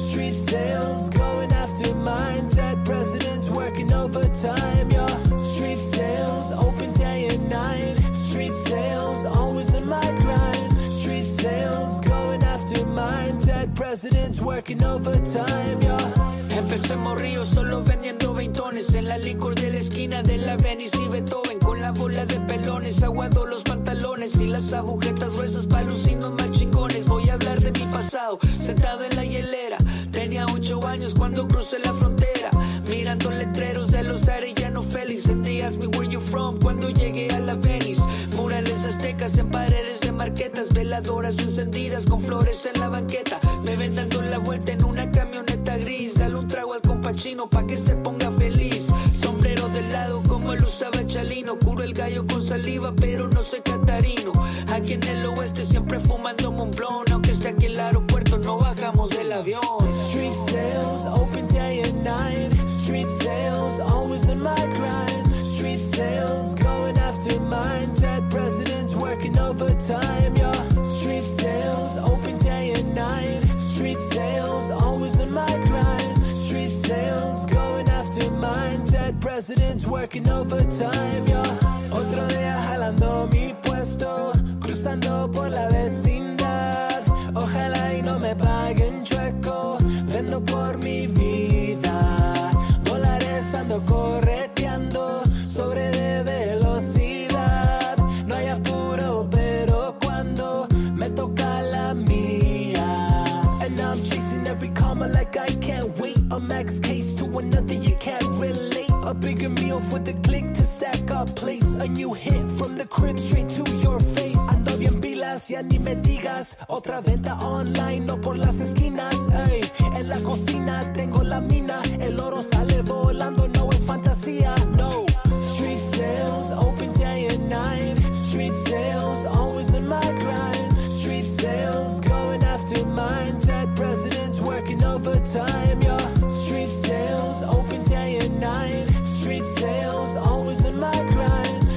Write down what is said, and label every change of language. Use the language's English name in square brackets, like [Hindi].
[English] Street sales, going after mine. Dead presidents working overtime, yo. Street sales, open day and night. Street sales, always in my grind. Street sales, presidents working overtime, yeah. [Spanish] Empezamos Río solo vendiendo veintones en la licor de la esquina de la Venice y Beethoven. Con la bola de pelones, aguado los pantalones y las agujetas gruesas pa' lucirnos más chingones. Voy a hablar de mi pasado, sentado en la hielera. Tenía 8 años cuando crucé la frontera, mirando letreros de los Arellano Félix. [English] And they asked me where you from [Spanish] cuando llegué a la Venice. Murales aztecas en paredes de marquetas, veladoras encendidas con flores en la banqueta. Me ven dando la vuelta en una camioneta gris. Dale un trago al compachino pa' que se ponga feliz. Sombrero de lado como lo usaba Chalino. Curo el gallo con saliva pero no soy catarino. Aquí en el oeste siempre fumando Montblanc. Aunque esté aquí el aeropuerto no bajamos del avión. [English] Street sales, open day and night. Street sales, always in my grind. Street sales, going after mine. Dead presidents working overtime, yeah. Street sales, open day and night. Street sales, always in my grind. Street sales, going after mine. Dead presidents working overtime, yeah. [Spanish] Otro día jalando mi puesto, cruzando por la vecindad. Ojalá y no me paguen chueco, vendo por mi vida. Dólares ando correteando, sobre de velocidad. No hay apuro, pero cuando me toca la mía. [English] And I'm chasing every comma like I can't wait. A max case to another, you can't relate. A bigger meal for the click to stack up plates. A new hit from the crib straight to your face. [Spanish] Ando bien pilas, ya ni me digas. Otra venta online, no por las esquinas, ey. En la cocina tengo la mina. El oro sale volando, no es fantasía, no. [English] Street sales, open day and night. Street sales, always in my grind. Street sales, going after mine. Dead presidents working overtime, yeah. Street sales, open day and night. Street sales, always in my grind.